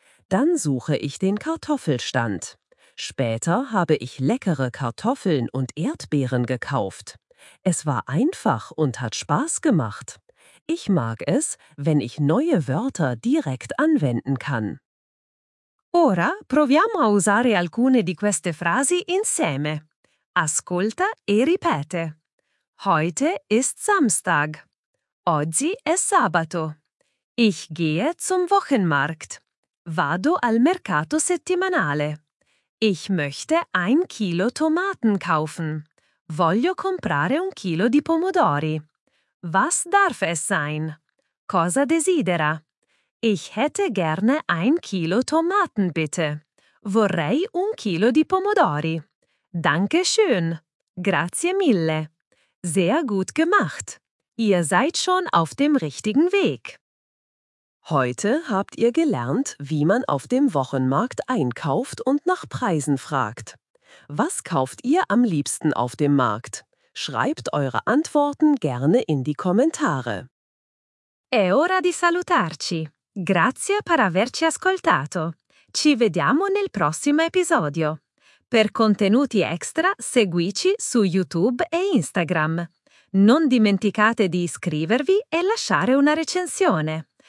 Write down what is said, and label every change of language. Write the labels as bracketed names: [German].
[German] Dann suche ich den Kartoffelstand. Später habe ich leckere Kartoffeln und Erdbeeren gekauft. Es war einfach und hat Spaß gemacht. Ich mag es, wenn ich neue Wörter direkt anwenden kann. [Italian] Ora proviamo a usare alcune di queste frasi insieme. Ascolta e ripete. [German] Heute ist Samstag. [Italian] Oggi è sabato. [German] Ich gehe zum Wochenmarkt. [Italian] Vado al mercato settimanale. [German] Ich möchte ein Kilo Tomaten kaufen. [Italian] Voglio comprare un chilo di pomodori. [German] Was darf es sein? [Italian] Cosa desidera? [German] Ich hätte gerne ein Kilo Tomaten, bitte. [Italian] Vorrei un chilo di pomodori. [German] Danke schön. [Italian] Grazie mille. [German] Sehr gut gemacht. Ihr seid schon auf dem richtigen Weg. Heute habt ihr gelernt, wie man auf dem Wochenmarkt einkauft und nach Preisen fragt. Was kauft ihr am liebsten auf dem Markt? Schreibt eure Antworten gerne in die Kommentare. [Italian] È ora di salutarci. Grazie per averci ascoltato. Ci vediamo nel prossimo episodio. Per contenuti extra, seguici su YouTube e Instagram. Non dimenticate di iscrivervi e lasciare una recensione.